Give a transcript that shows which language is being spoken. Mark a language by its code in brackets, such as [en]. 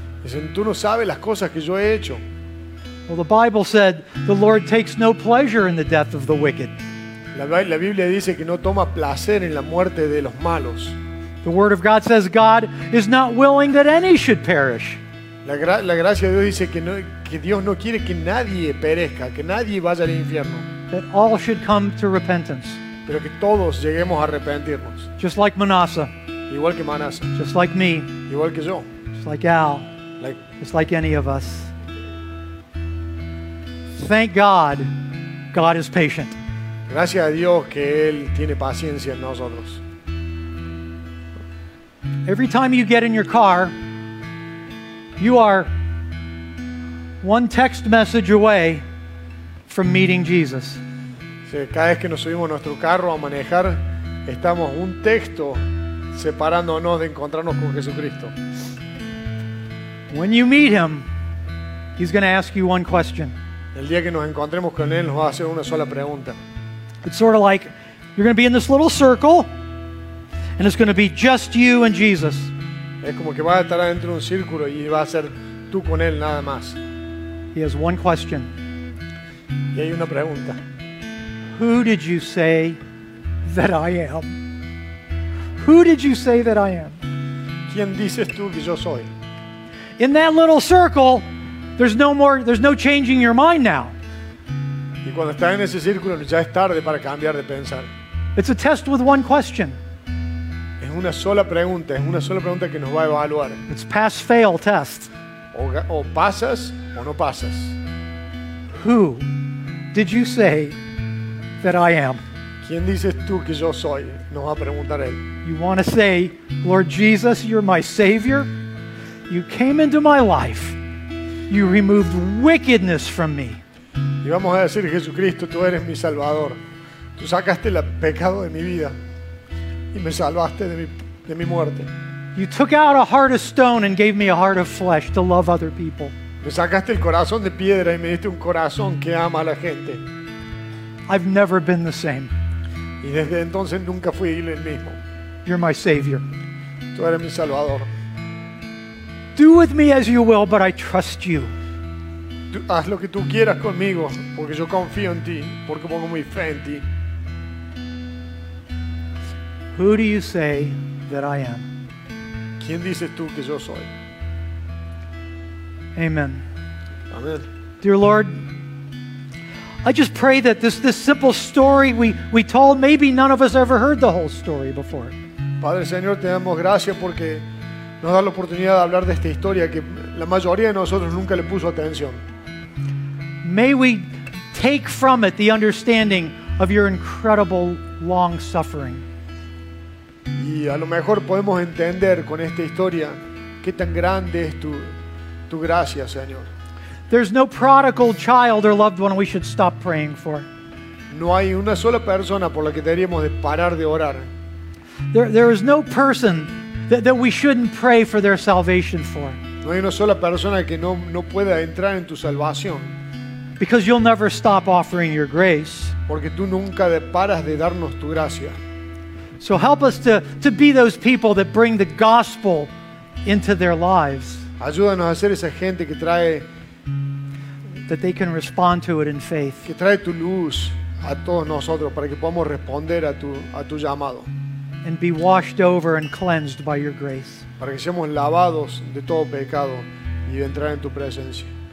[es] Dicen, tú no sabes las cosas que yo he hecho. [en] Well, the Bible said the Lord takes no pleasure in the death of the wicked. [es] La Biblia dice que no toma placer en la muerte de los malos. [en] The Word of God says God is not willing that any should perish. [es] La gracia de Dios dice que, no, que Dios no quiere que nadie perezca, que nadie vaya al infierno. [en] That all should come to repentance. [es] Pero que todos lleguemos a arrepentirnos. [en] Just like Manasseh. [es] Igual que Manasseh. [en] Just like me. [es] Igual que yo. [en] Just like Al. Like, just like any of us. Thank God, God is patient. [es] Gracias a Dios que Él tiene paciencia en nosotros. [en] Every time you get in your car, you are one text message away from meeting Jesus. [es] Cada vez que nos subimos a nuestro carro a manejar, estamos un texto separándonos de encontrarnos con Jesucristo. [en] When you meet him, he's going to ask you one question. [es] El día que nos encontremos con él, nos va a hacer una sola pregunta. [en] It's sort of like you're going to be in this little circle, and it's going to be just you and Jesus. [es] Es como que va a estar dentro de un círculo y va a ser tú con él nada más. [en] He has one question. [es] Y hay una pregunta. [en] Who did you say that I am? Who did you say that I am? [es] ¿Quién dices tú que yo soy? [en] In that little circle, there's no changing your mind now. [es] Y cuando estás en ese círculo, ya es tarde para cambiar de pensar. [en] It's a test with one question. [es] Es una sola pregunta, es una sola pregunta que nos va a evaluar. [en] It's pass fail test. [es] O pasas o no pasas. [en] Who did you say that I am? [es] ¿Quién dices tú que yo soy? Nos va a preguntar él. [en] You want to say, Lord Jesus, you're my savior. You came into my life. You removed wickedness from me. [es] Y vamos a decir, Jesucristo, tú eres mi salvador. Tú sacaste el pecado de mi vida y me salvaste de mi muerte. [en] You took out a heart of stone and gave me a heart of flesh to love other people. [es] Me sacaste el corazón de piedra y me diste un corazón que ama a la gente. [en] I've never been the same. [es] Y desde entonces nunca fui el mismo. [en] You're my savior. [es] Tú eres mi salvador. [en] Do with me as you will, but I trust you. [es] Haz lo que tú quieras conmigo, porque yo confío en ti, porque pongo mi fe en ti. [en] Who do you say that I am? [es] ¿Quién dices tú que yo soy? [en] Amen. [es] Amen. [en] Dear Lord, I just pray that this simple story we told, maybe none of us ever heard the whole story before. [es] Padre Señor, te damos gracias porque nos da la oportunidad de hablar de esta historia que la mayoría de nosotros nunca le puso atención. [en] May we take from it the understanding of your incredible long suffering. [es] Y a lo mejor podemos entender con esta historia qué tan grande es tu gracia, Señor. [en] There's no prodigal child or loved one we should stop praying for. [es] No hay una sola persona por la que deberíamos de parar de orar. [en] There is no person that we shouldn't pray for their salvation for. [es] No hay una sola persona que no pueda entrar en tu salvación. [en] Because you'll never stop offering your grace. [es] Porque tú nunca paras de darnos tu gracia. [en] So help us to be those people that bring the gospel into their lives. [es] Ayúdanos a ser esa gente que trae [en] that they can respond to it in faith. [es] Que trae tu luz a todos nosotros para que podamos responder a tu llamado. [en] And be washed over and cleansed by your grace. [es] Para que seamos lavados de todo pecado y de entrar en tu presencia.